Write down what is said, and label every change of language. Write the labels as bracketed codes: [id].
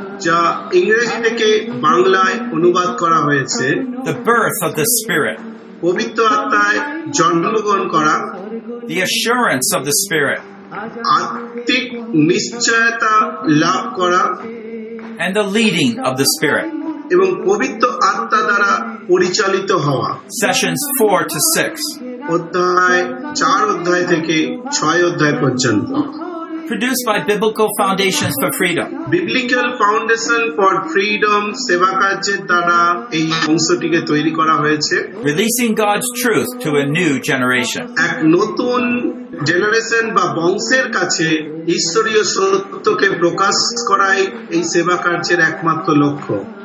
[bn] Ja English theke banglay onubad kora hoyeche. [en] The birth of the spirit. [bn] পবিত্র আত্মায় জন্মগ্রহণ করা [en] The assurance of the spirit [bn] আত্মিক নিশ্চয়তা লাভ করা [en] And the leading of the spirit [bn] এবং পবিত্র আত্মা দ্বারা পরিচালিত হওয়া [en] Sessions 4 to 6 [bn] অধ্যায় 4 অধ্যায় থেকে 6 অধ্যায় পর্যন্ত [en] Produced by Biblical Foundations for Freedom [bn] Biblical Foundation for Freedom সেবাকার্যের দ্বারা এই অংশটিকে তৈরি করা হয়েছে [en] Releasing God's truth to a new generation [bn] এক নতুন জেনারেশন বা বংশের কাছে ঈশ্বরীয় সত্যকে প্রকাশ করাই এই সেবাকার্যের একমাত্র লক্ষ্য